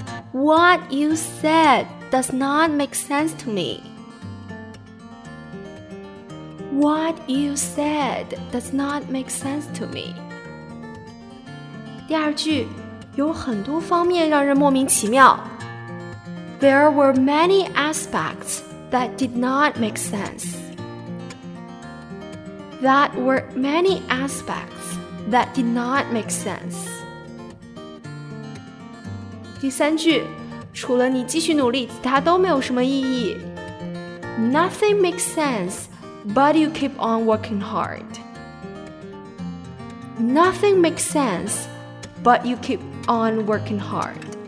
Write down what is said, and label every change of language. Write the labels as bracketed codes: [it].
[en] What you said does not make sense to me. What you said does not make sense to me. [zh] 第二句，有很多方面让人莫名其妙。 [en] There were many aspects that did not make sense. That were many aspects that did not make sense. [zh] 第三句，除了你继续努力，其他都没有什么意义。 [en] Nothing makes sense, but you keep on working hard. Nothing makes sense, but you keep on working hard.